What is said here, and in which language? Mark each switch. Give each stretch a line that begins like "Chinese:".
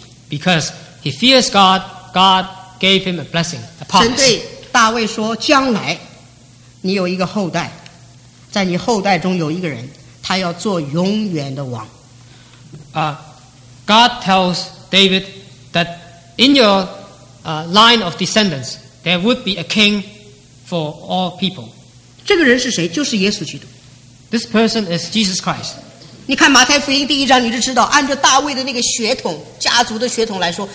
English: because he fears God, God gave him a blessing, a promise.
Chinese: 神对大卫说, 将来你有一个后代, 在你后代中有一个人, 他要做永远的王。
English: God tells David that in your line of descendants, there would be a king for all people.
Chinese: 这个人是谁?就是耶稣基督。
English: This person is Jesus Christ.
Chinese: 你看马太福音第一章你就知道, 按照大卫的那个血统, 家族的血统来说,